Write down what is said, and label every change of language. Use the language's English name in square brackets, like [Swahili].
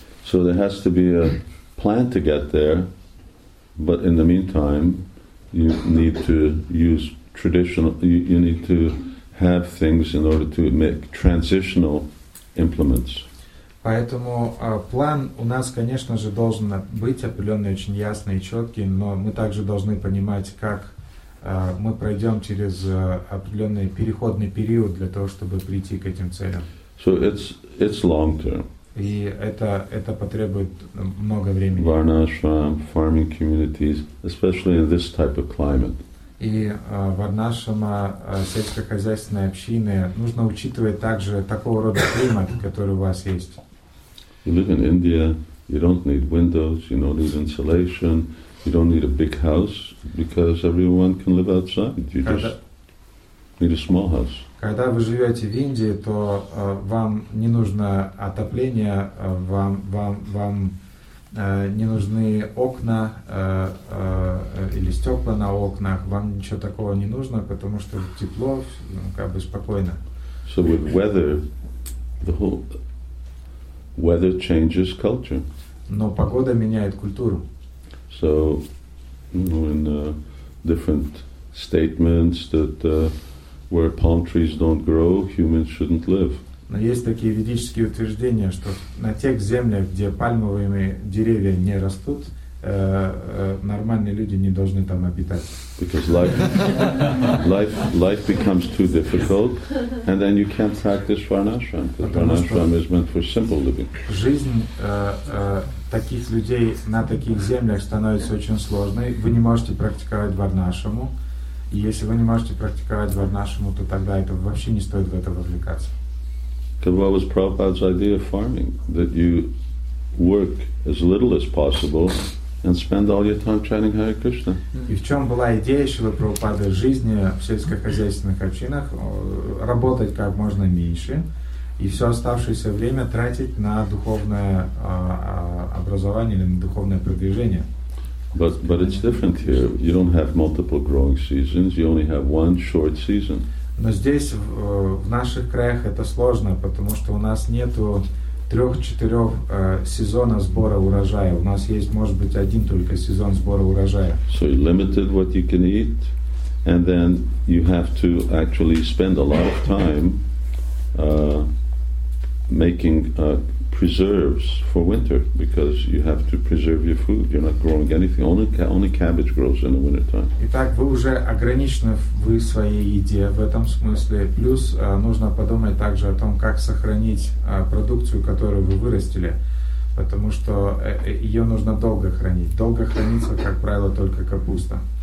[English] So there has to be a plan to get there, but in the meantime, you need to use traditional. You need to have things in order to make transitional. Implements. [Russian] Поэтому план у нас, конечно же, должен быть определенный, очень ясный и четкий, но мы также должны понимать, как мы пройдем через определенный переходный период для того, чтобы прийти к этим целям. [English] So it's long term. [Russian] И это потребует много времени. [English] Варнашрам, farming communities, especially in this type of climate. [Russian] И варнашрама, сельскохозяйственные общины, нужно учитывать также такого рода климат, который у вас есть. [English] You live in India, you don't need windows, you don't need insulation, you don't need a big house, because everyone can live outside. You just need a small house. [Russian] Когда вы живете в Индии, то вам не нужно отопление, вам не нужны окна или стекла на окнах, вам ничего такого не нужно, потому что тепло, как бы спокойно. [English] So with weather, the whole weather changes culture. [Russian] Но погода меняет культуру. [English] So, in different statements that where palm trees don't grow, humans shouldn't live. [Russian] Но есть такие ведические утверждения, что на тех землях, где пальмовые деревья не растут, нормальные люди не должны там обитать. [English] Because life becomes too difficult, and then you can't practice varnashram. Varnashram is meant for simple living. [Russian] Жизнь таких людей на таких землях становится очень сложной. Вы не можете практиковать варнашраму. И если вы не можете практиковать варнашраму, то тогда это вообще не стоит в это вовлекаться. [English] Because what was Prabhupada's idea of farming? That you work as little as possible and spend all your time chanting Hare Krishna. [Russian] И в чем была идея Шрилы Прабхупады жизни в сельскохозяйственных общинах? Работать как можно меньше и все оставшееся время тратить на духовное образование или на духовное продвижение. [English] But it's different here. You don't have multiple growing seasons. You only have one short season. [Russian] Но здесь в наших краях это сложно, потому что у нас нету трех-четырех сезона сбора урожая. У нас есть, может быть, один только сезон сбора урожая. [English] So you're limited what you can eat, and then you have to actually spend a lot of time making preserves for winter, because you have to preserve your food. You're not growing anything. Only cabbage grows in the winter time. [Russian] Итак, вы уже ограничены в своей еде в этом смысле. Плюс нужно подумать также о том, как сохранить продукцию, которую вы вырастили, потому что ее нужно долго хранить. Долго хранится, как правило, только капуста.